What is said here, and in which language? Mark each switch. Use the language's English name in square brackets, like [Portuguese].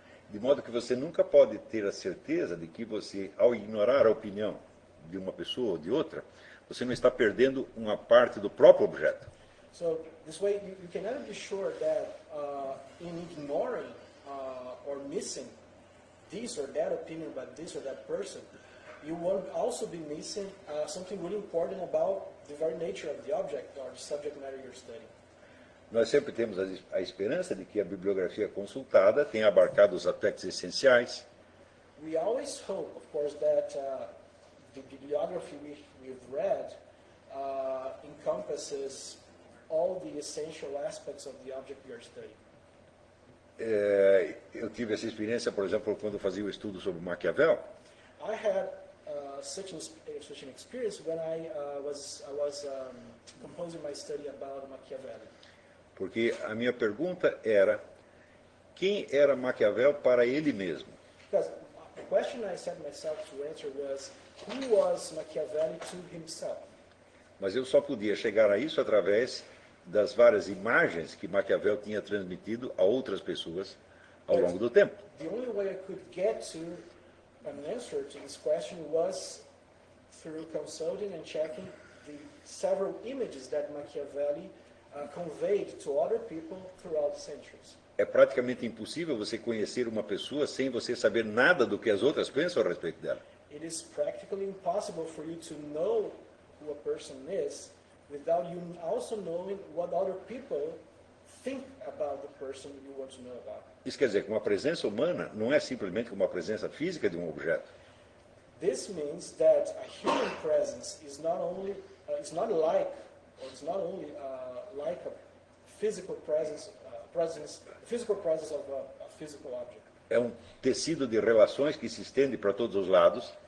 [Portuguese] De modo que você nunca pode ter a certeza de que você, ao ignorar a opinião de uma pessoa ou de outra, você não está perdendo uma parte do próprio objeto. [English] So, this way, you can never be sure that in ignoring or missing this or that opinion about this or that person, you won't also be missing something really important about the very nature of the object or the subject matter you're studying. [Portuguese] Nós sempre temos a esperança de que a bibliografia consultada tenha abarcado os aspectos essenciais. [English] We always hope, of course, that the bibliography we've read encompasses all the essential aspects of the object we are studying. [Portuguese] Eu tive essa experiência, por exemplo, quando fazia o estudo sobre Maquiavel. [English] I had such an experience when I was composing my study about Machiavelli. [Portuguese] Porque a minha pergunta era, quem era Maquiavel para ele mesmo? [English] Because a question I set myself to answer was, who was Machiavelli to himself? [Portuguese] Mas eu só podia chegar a isso através das várias imagens que Maquiavel tinha transmitido a outras pessoas ao [English] But [Portuguese] longo do tempo. [English] The only way I could get to an answer to this question was through consulting and checking the several images that Machiavelli conveyed to other people throughout the centuries. É praticamente impossível você conhecer uma pessoa sem você saber nada do que as outras pensam a respeito dela. It is practically impossible for you to know who a person is without you also knowing what other people think about the person you want to know about. [Portuguese] Isso quer dizer que uma presença humana não é simplesmente como a presença física de um objeto. [English] This means that a human presence is not only it's not like or it's not only like a physical presence physical presence of a physical object. [Portuguese] É um tecido de relações que se estende para todos os lados.